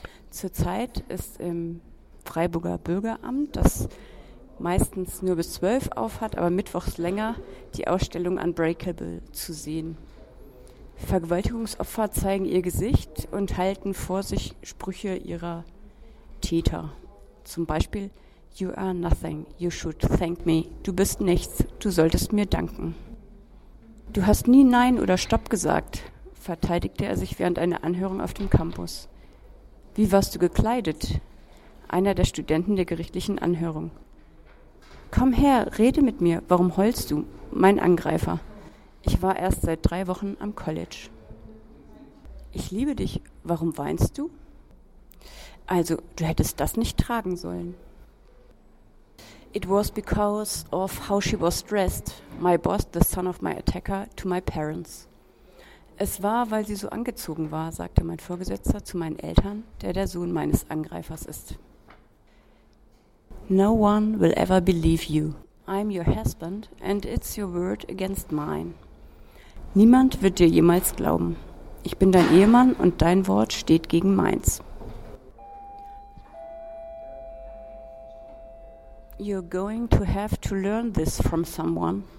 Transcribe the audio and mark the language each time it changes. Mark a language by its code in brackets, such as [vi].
[de] Zurzeit ist im Freiburger Bürgeramt, das meistens nur bis 12 auf hat, aber mittwochs länger, die Ausstellung Unbreakable zu sehen. Vergewaltigungsopfer zeigen ihr Gesicht und halten vor sich Sprüche ihrer Täter. Zum Beispiel, [en] you are nothing, you should thank me. [de] Du bist nichts, du solltest mir danken. Du hast nie Nein oder Stopp gesagt, verteidigte er sich während einer Anhörung auf dem Campus. Wie warst du gekleidet? Einer der Studenten der gerichtlichen Anhörung. Komm her, rede mit mir. Warum heulst du? Mein Angreifer. Ich war erst seit 3 Wochen am College. Ich liebe dich. Warum weinst du? Also, du hättest das nicht tragen sollen. [en] It was because of how she was dressed. My boss, the son of my attacker, to my parents. [de] Es war, weil sie so angezogen war, sagte mein Vorgesetzter zu meinen Eltern, der Sohn meines Angreifers ist. [en] No one will ever believe you. I'm your husband and it's your word against mine. [de] Niemand wird dir jemals glauben. Ich bin dein Ehemann und dein Wort steht gegen meins. [en] You're going to have to learn this from someone.